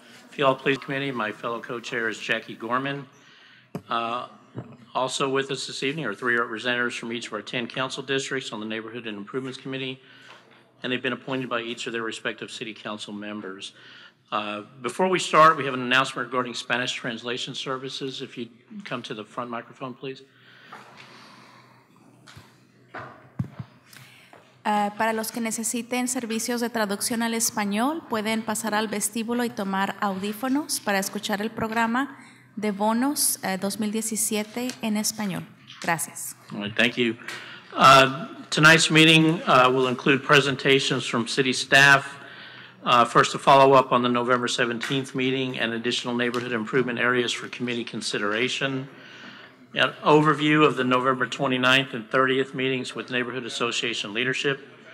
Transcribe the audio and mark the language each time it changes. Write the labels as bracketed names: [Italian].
[English] Field Police Committee. My fellow co-chair is Jackie Gorman. Also with us this evening are three representatives from each of our 10 council districts on the Neighborhood and Improvements Committee, and they've been appointed by each of their respective city council members. Before we start, we have an announcement regarding Spanish translation services. If you'd come to the front microphone, please. [Spanish] Para los que necesiten servicios de traducción al español, pueden pasar al vestíbulo y tomar audífonos para escuchar el programa de bonos 2017 en español. Gracias. [English] All right, thank you. Tonight's meeting will include presentations from city staff. First, a follow-up on the November 17th meeting and additional neighborhood improvement areas for committee consideration. An overview of the November 29th and 30th meetings with Neighborhood Association leadership.